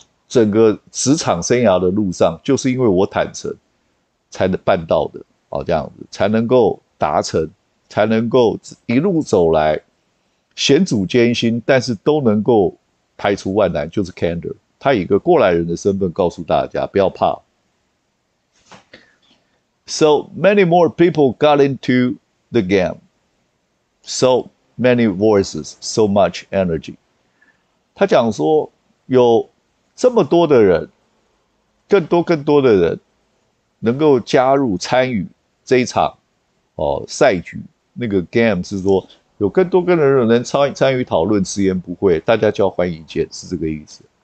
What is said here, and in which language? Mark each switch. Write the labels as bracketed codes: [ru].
[zh] 整个职场生涯的路上，就是因为我坦诚，才能办到的这样子才能够达成，才能够一路走来，险阻艰辛，但是都能够排除万难，就是 candor。他以一个过来人的身份告诉大家，不要怕。 [en] So many more people got into the game, so many voices, so much energy。 [zh] 他讲说有。这么多的人，更多的人能够加入参与这一场赛局。那个 game 是说有更多人能参与讨论，直言不讳，大家交换意见，是这个意思。